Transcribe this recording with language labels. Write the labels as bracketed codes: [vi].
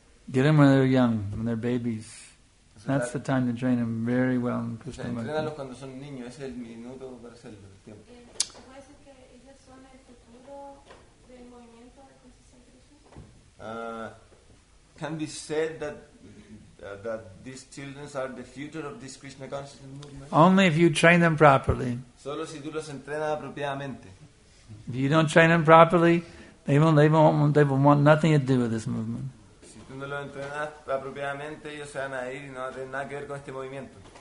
[en] Get them when they're young, when they're babies. That's the time to train them very well in Krishna Bhakti. [es] Entrénalos cuando son niños. Ese es el minuto para hacerlo. ¿Puede ser que ellos son el futuro del movimiento de [en] consciousness? Can be said that. That these children are the future of this Krishna consciousness movement? Only if you train them properly. [es] Solo si tú los entrenas apropiadamente. [en] If you don't train them properly, they will want nothing to do with this movement. [es] Si tú no los entrenas apropiadamente, ellos se van a ir y no tienen nada que ver con este movimiento.